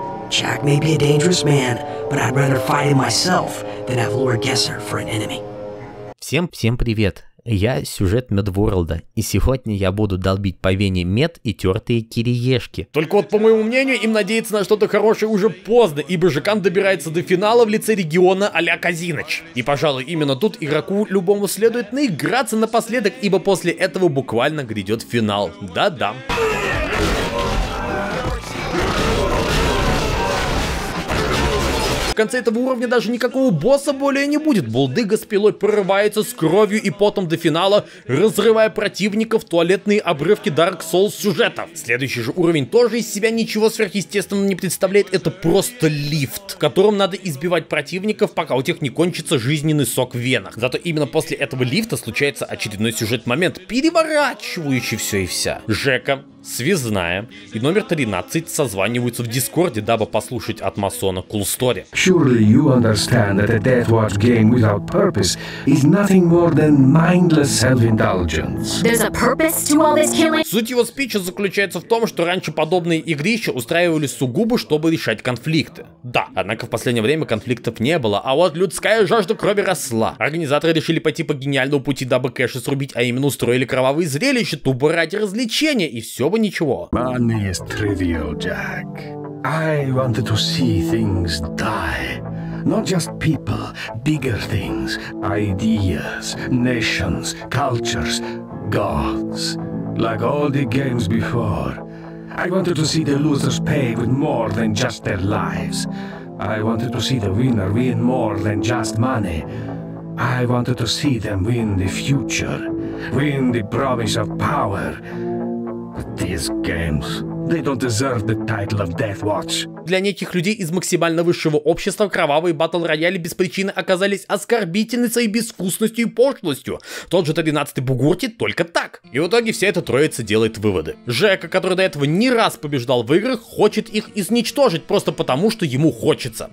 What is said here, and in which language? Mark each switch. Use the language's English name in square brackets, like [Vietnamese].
[English] Jack may be a dangerous man, but I'd rather fight him myself than have Lord Gesser for an enemy. [Russian] Всем привет. Я сюжет Медворлда, и сегодня я буду долбить по вене мед и тертые кириешки. Только вот, по моему мнению, им надеяться на что-то хорошее уже поздно, ибо Жекан добирается до финала в лице региона а-ля Казиноч. И, пожалуй, именно тут игроку любому следует наиграться напоследок, ибо после этого буквально грядет финал. Да-да. В конце этого уровня даже никакого босса более не будет. Булдыга с пилой прорывается с кровью и потом до финала, разрывая противника в туалетные обрывки Dark Souls сюжета. Следующий же уровень тоже из себя ничего сверхъестественного не представляет. Это просто лифт, в котором надо избивать противников, пока у тех не кончится жизненный сок в венах. Зато именно после этого лифта случается очередной сюжетный момент, переворачивающий все и вся. Жека, Связная и номер 13 созваниваются в Дискорде, дабы послушать от масона [English] Cool Story. Surely you understand that a Death Watch game without purpose is nothing more than mindless self-indulgence. There's a purpose to all this killing? [Russian] Суть его спича заключается в том, что раньше подобные игрища устраивались сугубо, чтобы решать конфликты. Да, однако в последнее время конфликтов не было, а вот людская жажда крови росла. Организаторы решили пойти по гениальному пути, дабы кэши срубить, а именно устроили кровавые зрелища, тупо ради развлечения, и все бы ничего. [English] Money is trivial, Jack. I wanted to see things die. Not just people, bigger things, ideas, nations, cultures, gods. Like all the games before, I wanted to see the losers pay with more than just their lives. I wanted to see the winner win more than just money. I wanted to see them win the future, win the promise of power. But these games, they don't deserve the title of Death Watch. [Russian] Для неких людей из максимально высшего общества кровавые батл-рояли без причины оказались оскорбительны своей безвкусностью и пошлостью. Тот же Т-12 Бугурти только так. И в итоге вся эта троица делает выводы. Жека, который до этого не раз побеждал в играх, хочет их изничтожить просто потому, что ему хочется.